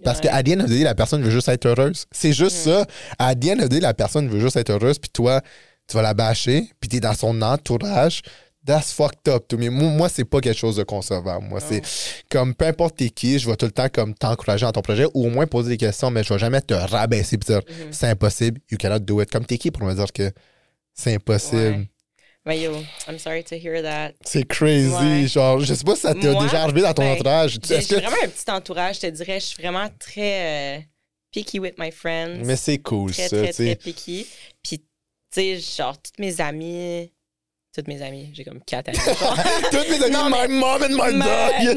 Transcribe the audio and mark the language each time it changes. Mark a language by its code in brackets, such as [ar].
[fr] Parce qu'à [en] the end of the day, [fr] la personne veut juste être heureuse. C'est juste ça. À [en] the end of the day, [fr] la personne veut juste être heureuse, puis toi, tu vas la bâcher, puis t'es dans son entourage. [en] That's fucked up to me. [fr] Moi, c'est pas quelque chose de concevable. Moi, c'est comme peu importe t'es qui, je vais tout le temps comme t'encourager dans ton projet ou au moins poser des questions, mais je vais jamais te rabaisser et dire c'est impossible, [en] you cannot do it. [fr] Comme t'es qui pour me dire que c'est impossible. Ouais. [en] Mais yo, I'm sorry to hear that. [fr] C'est crazy. Ouais. Genre, je sais pas si ça t'a déjà arrivé dans ton entourage. Je suis vraiment un petit entourage, je te dirais. Je suis vraiment très picky [en] with my friends. [fr] Mais c'est cool très, ça. Très, très picky. Puis, tu sais, genre, toutes mes amies, j'ai comme 4 amies. Toutes mes amies, non, mais, [en] my mom and my dog.